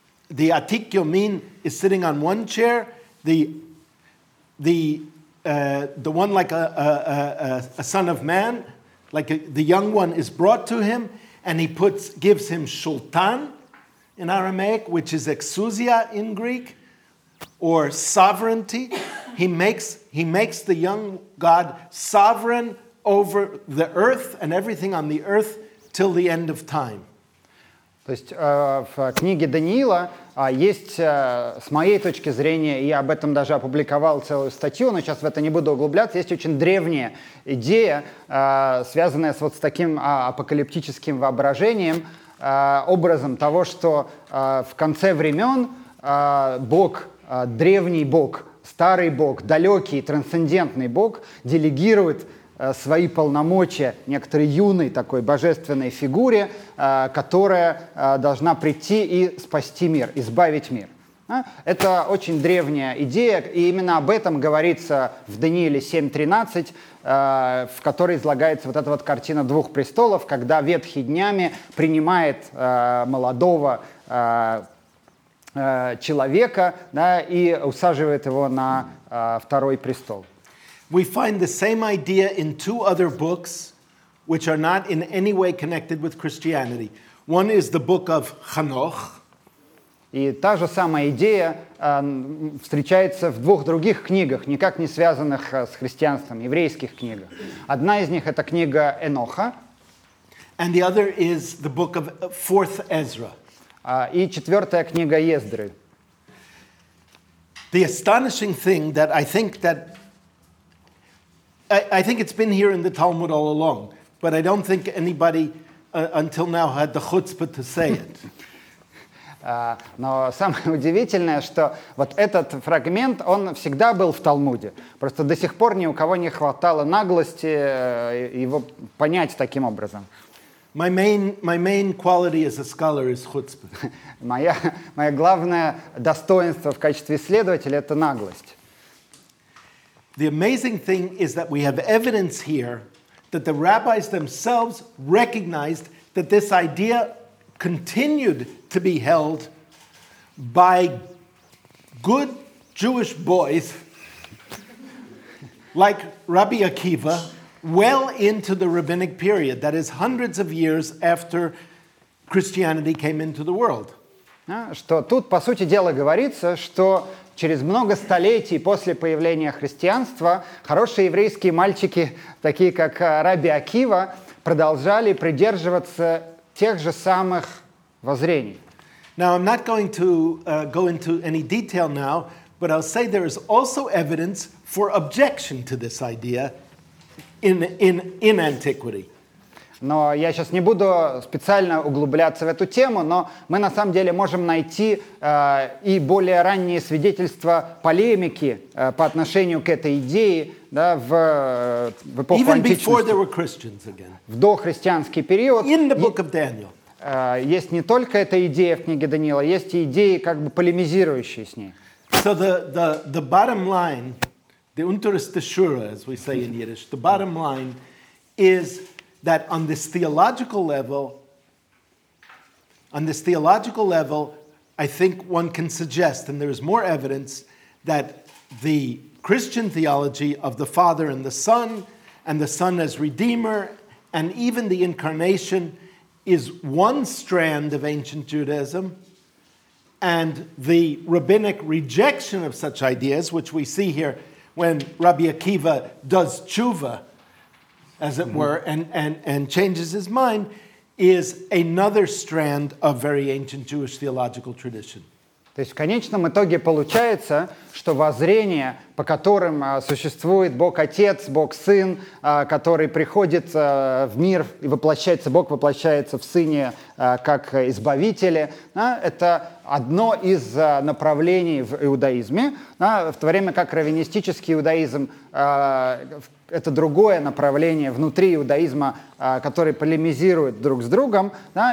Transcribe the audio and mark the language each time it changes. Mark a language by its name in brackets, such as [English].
[English] The Atik Yomin is sitting on one chair, the one like a son of man, the young one is brought to him, and he gives him Shultan in Aramaic, which is exousia in Greek, or sovereignty. He makes the young God sovereign over the earth and everything on the earth till the end of time. [Russian] То есть в книге Даниила есть, с моей точки зрения, я об этом даже опубликовал целую статью, но сейчас в это не буду углубляться, есть очень древняя идея, связанная вот с таким апокалиптическим воображением, образом того, что в конце времен Бог, древний Бог, старый Бог, далекий, трансцендентный Бог, делегирует свои полномочия некоторой юной такой божественной фигуре, которая должна прийти и спасти мир, избавить мир. Это очень древняя идея, и именно об этом говорится в Данииле 7:13, в которой излагается вот эта вот картина двух престолов, когда ветхий днями принимает молодого человека, да, и усаживает его на второй престол. [English] We find the same idea in two other books, which are not in any way connected with Christianity. One is the book of Ханох. [Russian] И та же самая идея встречается в двух других книгах, никак не связанных с христианством, еврейских книгах. Одна из них — это книга Эноха. [English] And the other is the book of 4th Ezra. [Russian] И четвертая книга Ездры. [English] The astonishing thing that I think that I think it's been here in the Talmud all along, but I don't think anybody until now had the chutzpah to say it. [Russian] Но самое удивительное, что вот этот фрагмент, он всегда был в Талмуде. Просто до сих пор ни у кого не хватало наглости его понять таким образом. [English] My main quality as a scholar is chutzpah. [Russian] Моё главное достоинство в качестве исследователя — это наглость. [English] The amazing thing is that we have evidence here that the rabbis themselves recognized that this idea continued to be held by good Jewish boys like Rabbi Akiva well into the rabbinic period, that is hundreds of years after Christianity came into the world. [Russian] Что тут, по сути дела, говорится, что через много столетий после появления христианства хорошие еврейские мальчики, такие как Рабби Акива, продолжали придерживаться тех же самых воззрений. [English] Now, I'm not going to go into any detail now, but I'll say there is also evidence for objection to this idea in antiquity. [Russian] Но я сейчас не буду специально углубляться в эту тему, но мы на самом деле можем найти и более ранние свидетельства полемики по отношению к этой идее, да, в эпоху [English] Even [Russian] античности. [English] Before there were Christians again. [Russian] В дохристианский период. [English] In the book of Daniel. [Russian] Есть не только эта идея в книге Даниила, есть и идеи, как бы полемизирующие с ней. [English] So the bottom line, the [Yiddish] unter ist die Schura, [English] as we say in Yiddish, the bottom line is that on this theological level, I think one can suggest, and there is more evidence, that the Christian theology of the Father and the Son as Redeemer, and even the Incarnation, is one strand of ancient Judaism, and the rabbinic rejection of such ideas, which we see here when Rabbi Akiva does tshuva, as it were, and changes his mind, is another strand of very ancient Jewish theological tradition. [Russian] То есть в конечном итоге получается, что воззрения, по которым существует Бог Отец, Бог Сын, который приходит в мир и воплощается, Бог воплощается в Сыне как Избавителя, да, это одно из направлений в иудаизме, да, в то время как раввинистический иудаизм это другое направление внутри иудаизма, которое полемизирует друг с другом. Да?